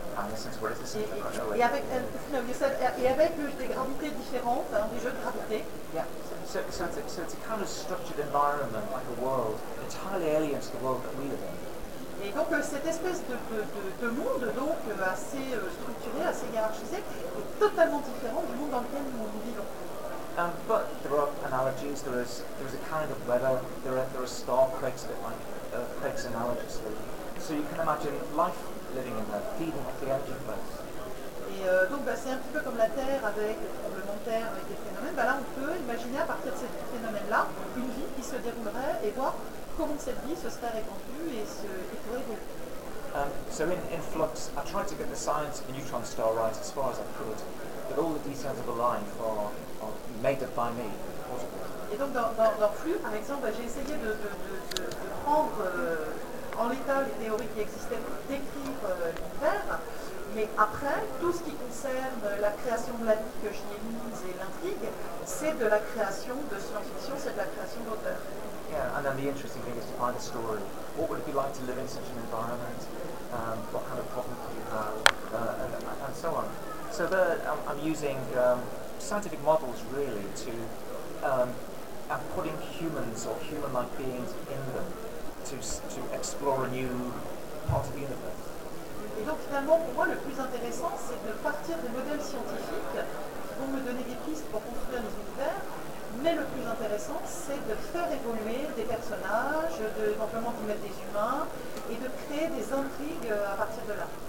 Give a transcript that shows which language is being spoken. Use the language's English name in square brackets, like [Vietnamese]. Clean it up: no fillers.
[French] Et avec des gravités différentes, des jeux de gravité. [English] Yeah. So it's a kind of structured environment, like a world, entirely alien to the world that we live in. [French] Et donc cette espèce de monde donc assez structuré, assez hiérarchisé, est totalement différent du monde dans lequel nous vivons. [English] But there are analogies. There is a kind of weather. There are star quakes, a bit like earthquakes analogously. So you can imagine life living in that, feeding off the energy flows. [French] C'est un petit peu comme la Terre avec le tremblement de terre, avec des phénomènes. Là, on peut imaginer à partir de ces phénomènes-là une vie qui se déroulerait et voir comment cette vie se serait répandue et pourrait évoluer. [English] So in Flux, I tried to get the science of the neutron star right as far as I could, but all the details of the life are made up by me. [French] Et donc dans Flux, par exemple, j'ai essayé de prendre en l'état les théories qui existaient pour décrire l'univers, mais après, tout ce qui concerne la création de la vie que j'y ai mise et l'intrigue, c'est de la création de science-fiction, c'est de la création d'auteur. [English] Yeah, and then the interesting thing is to find a story. What would it be like to live in such an environment? What kind of problems do you have? And so on. So I'm using scientific models really to I'm putting humans or human-like beings in them to explore a new part of the universe. [French] Et donc finalement pour moi le plus intéressant c'est de partir des modèles scientifiques qui vont me donner des pistes pour construire des univers, mais le plus intéressant c'est de faire évoluer des personnages, d'éventuellement d'y mettre des humains et de créer des intrigues à partir de là.